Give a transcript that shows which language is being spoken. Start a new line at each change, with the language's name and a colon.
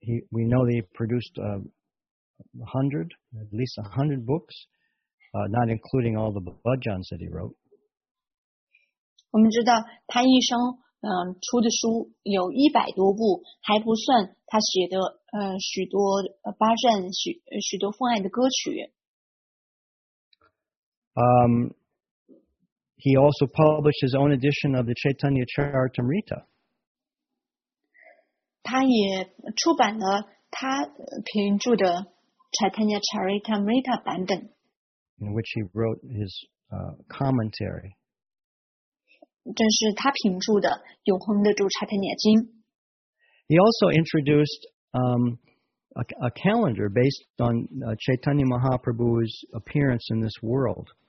English: We know they produced at least 100 books. Not including all the bhajans that he wrote.
Chinese: 我们知道他一生出的书有一百多部，还不算他写的许多bhajan许多奉爱的歌曲。
English: He also published his own edition of the Chaitanya Charitamrita.
Chinese: 他也出版了他评注的 Chaitanya Charitamrita 版本。
English: In which he wrote his commentary.
Chinese: 这是他评注的《永恒的主查特涅经》。
English: He also introduced a calendar based on Chaitanya Mahaprabhu's appearance in this world.